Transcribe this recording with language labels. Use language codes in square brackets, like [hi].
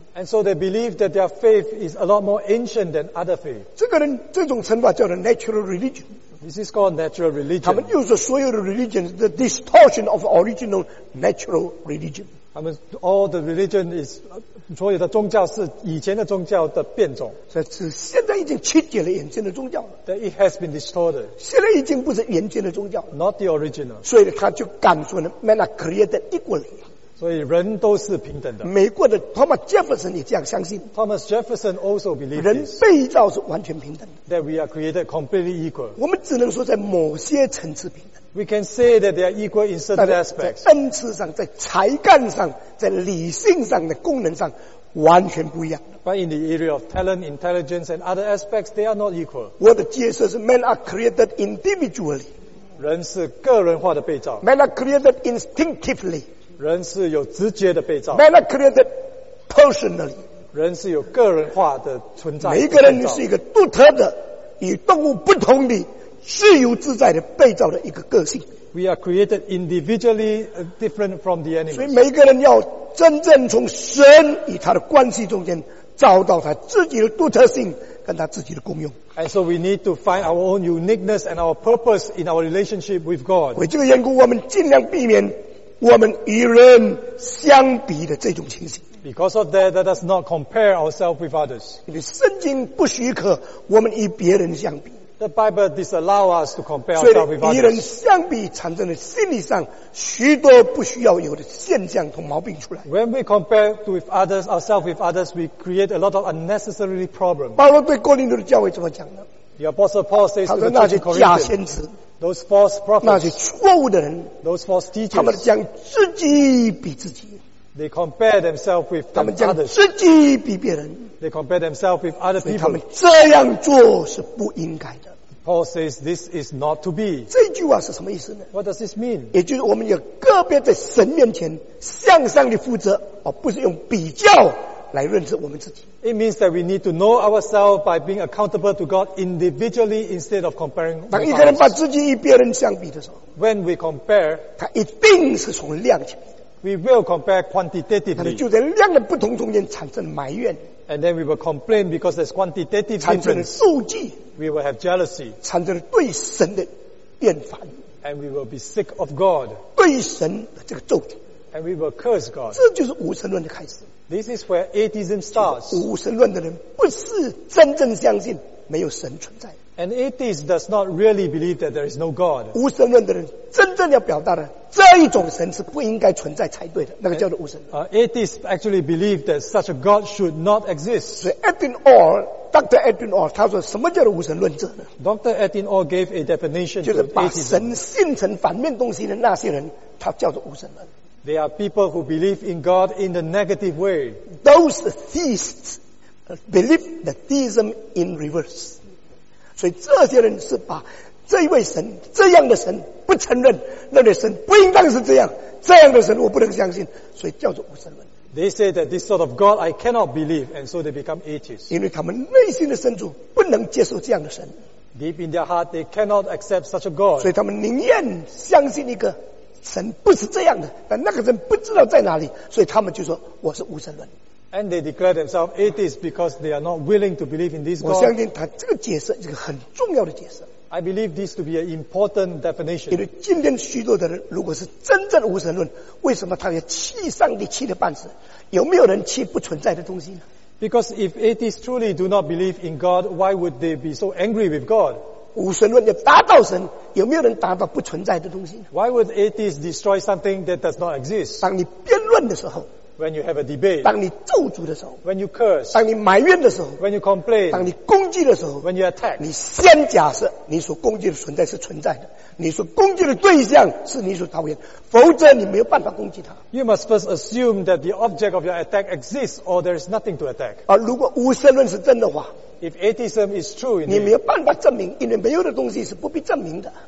[en] And so they believe that their faith is a lot more ancient than other faith. [zh] 这个人这种称法叫做 natural religion. [en] This is called natural religion. [zh] 他们又说所有的 [en] religion is the distortion of original natural religion. [zh] 他们 [en] all the religion is [zh] 所有的宗教是以前的宗教的变种。这是现在已经曲解了原先的宗教了。 [en] That it has been distorted. [zh] 现在已经不是原先的宗教。 [en] Not the original. [zh] 所以他就敢说呢 ， [en] men are created equally. [zh] 所以人都是平等的。美国的 Thomas Jefferson 也这样相信。 [en] Thomas Jefferson also believed. [zh] 人被造是完全平等的。 [en] That we are created completely equal. [zh] 我们只能说在某些层次平等。 [en] We can say that they are equal in certain aspects. [zh] 在恩赐上、在才干上、在理性上的功能上，完全不一样。 [en] But in the area of talent, intelligence, and other aspects, they are not equal. [zh] 我的解释是 [en] ，men are created individually. [zh] 人是个人化的被造。 [en] Men are created instinctively. [zh] 人是有直觉的被造。 [en] Men are created personally. [zh] 人是有个人化的存在，每一个人是一个独特的与动物不同的自由自在的被造的一个个性。 [en] We are created individually different from the animals. [zh] 所以每一个人要真正从神与他的关系中间找到他自己的独特性跟他自己的功用。 [en] And so we need to find our own uniqueness and our purpose in our relationship with God. [zh] 为这个缘故，我们尽量避免我们与人相比的这种情形。 [en] Because of that, let us not compare ourselves with others. [zh] 因为圣经不许可我们与别人相比。 [en] The Bible disallows us to compare ourselves with others. [zh] 所以与人相比，产生了心理上许多不需要有的现象和毛病出来。 [en] When we compare with others, ourselves with others, we create a lot of unnecessary problems. [zh] 保罗对哥林多的教会怎么讲呢？ [en] The Apostle Paul says to the church in Corinth, [zh] 那些假先知 [en] those false prophets, [zh] 那些错误的人 [en] those false teachers, [zh] 他们将自己比自己 [en] they compare themselves with others, [zh] 他们将自己比别人 [en] they compare themselves with other people, [zh] 所以他们这样做是不应该的 [en] Paul says this is not to be, [zh] 这句话是什么意思呢 [en] what does this mean? [zh] 也就是我们要个别在神面前向上的负责而不是用比较来认识我们自己 [en] It means that we need to know ourselves by being accountable to God individually instead of comparing. [zh] 当一个人把自己与别人相比的时候 [en] ，When we compare， [zh] 他一定是从量起。 [en] We will compare quantitatively. [zh] 他就在量的不同中间产生埋怨。 [en] And then we will complain because there's quantitative difference. [zh] 产生了妒忌。 [en] We will have jealousy. [zh] 产生了对神的厌烦。 [en] And we will be sick of God. [zh] 对神的这个咒诅。 [en] And we will curse God. [zh] 这就是无神论的开始。 [en] This is where atheism starts. [zh] 无神论的人不是真正相信没有神存在。 [en] And atheist does not really believe that there is no God. [zh] 无神论的人真正要表达的这一种神是不应该存在才对的，那个叫做无神论。 [en] Atheists actually believe that such a God should not exist. [zh] 所以 Edwin Orr, Dr. Edwin Orr, 他说什么叫做无神论者呢？Dr. [en] Edwin Orr gave a definition. [zh] 就是把神信成反面东西的那些人，他叫做无神论。 [en] They are people who believe in God in the negative way. Those theists believe the theism in reverse. [zh] 所以这些人是把这一位神这样的神不承认，那位神不应当是这样，这样的神我不能相信，所以叫做无神论。 [en] They say that this sort of God I cannot believe, and so they become atheists. [zh] 因为他们内心的深处不能接受这样的神。 [en] Deep in their heart, they cannot accept such a God. [zh] 所以他们宁愿相信一个。神不是这样的，但那个人不知道在哪里，所以他们就说我是无神论。 [en] And they declare themselves atheists because they are not willing to believe in this God. [zh] 我相信他这个解释是一个很重要的解释。 [en] I believe this to be an important definition. [zh] 因为今天许多的人如果是真正无神论，为什么他要气上帝气的半死？有没有人气不存在的东西呢 [en] ？Because if atheists truly do not believe in God, why would they be so angry with God? [zh] 无神论要达到神。有没有人达到不存在的东西 [en] ？Why would atheists destroy something that does not exist？ [zh] 当你辩论的时候 [en] ，When you have a debate， [zh] 当你咒诅的时候 [en] ，When you curse， [zh] 当你埋怨的时候 [en] ，When you complain， [zh] 当你攻击的时候 [en] ，When you attack， [zh] 你先假设你所攻击的存在是存在的，你所攻击的对象是你所讨厌，否则你没有办法攻击它。 [en] You must first assume that the object of your attack exists, or there is nothing to attack。 [zh] 而如果无神论是真的话。 [en] If atheism is true, [zh] 你没有办法证明，因为没有的东西是不必证明的。